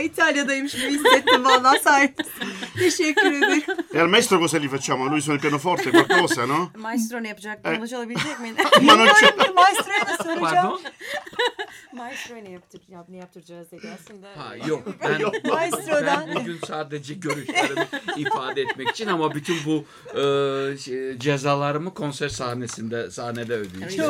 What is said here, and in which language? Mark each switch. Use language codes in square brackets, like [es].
[tr] İtalya'daymış bu, hissettim valla. Teşekkür ederim. [it] El maestro cosa gli facciamo? Lui suona il pianoforte, qualcosa, no? [tr] Maestro ne yapacak? Bunu çalabilecek miyim? Ben de maestro'ya da soracağım. Maestro'ya ne yaptıracağız dedi aslında. Ha, yok, ben, ben bugün sadece görüşlerimi ifade etmek için ama bütün bu cezalarımı konser sahnede ödeyeceğim.